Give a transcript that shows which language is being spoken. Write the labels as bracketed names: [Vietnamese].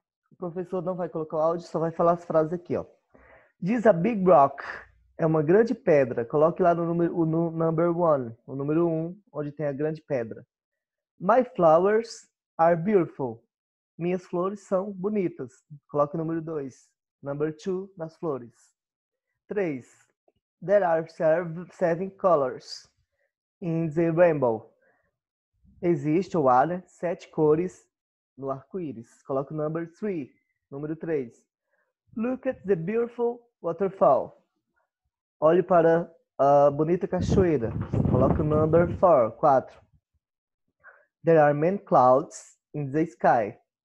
[Portuguese] O professor não vai colocar o áudio, só vai falar as frases aqui, ó. [English] This is a big rock. [Portuguese] É uma grande pedra. Coloque lá no number one. O número um, onde tem a grande pedra. [English] My flowers are beautiful. [Portuguese] Minhas flores são bonitas. Coloque o número 2. Number 2 nas flores. 3. [English] There are 7 colors in the rainbow. [Portuguese] Existe ou há, né, 7 cores no arco-íris. Coloque o number 3. Número 3. [English] Look at the beautiful waterfall. [Portuguese] Olhe para a bonita cachoeira. Coloque o number 4. [English] There are many clouds in the sky.